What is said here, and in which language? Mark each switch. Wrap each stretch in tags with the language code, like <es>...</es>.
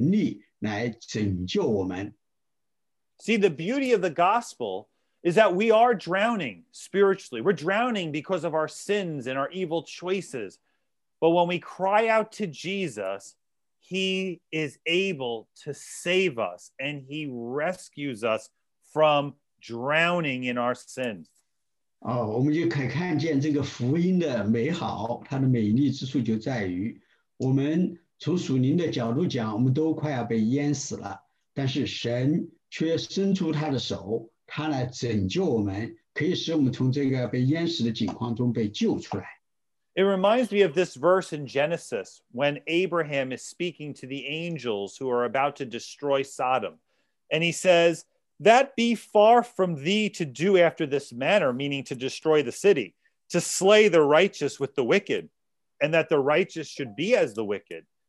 <zh>这个福音是神的大能，乃是讲到说有一位神，这是一位大能的神，他看见了我们的境况，他没有说哦，你就自己承担你自己的后果，而他自己是用自己的能力来拯救我们。</zh> <en>See, the beauty of the gospel is that we are drowning spiritually. We're drowning because of our sins and our evil choices. But when we cry out to Jesus, he is able to save us and he rescues us from drowning in our sins.</en> <zh>Oh, 我们就可以看见这个福音的美好，它的美丽之处就在于，我们从属灵的角度讲，我们都快要被淹死了，但是神 却伸出他的手，他来拯救我们，可以使我们从这个被淹死的境况中被救出来。</zh> <en>It reminds me of this verse in Genesis when Abraham is speaking to the angels who are about to destroy Sodom. And he says, that be far from thee to do after this manner, meaning to destroy the city, to slay the righteous with the wicked, and that the righteous should be as the wicked.</en>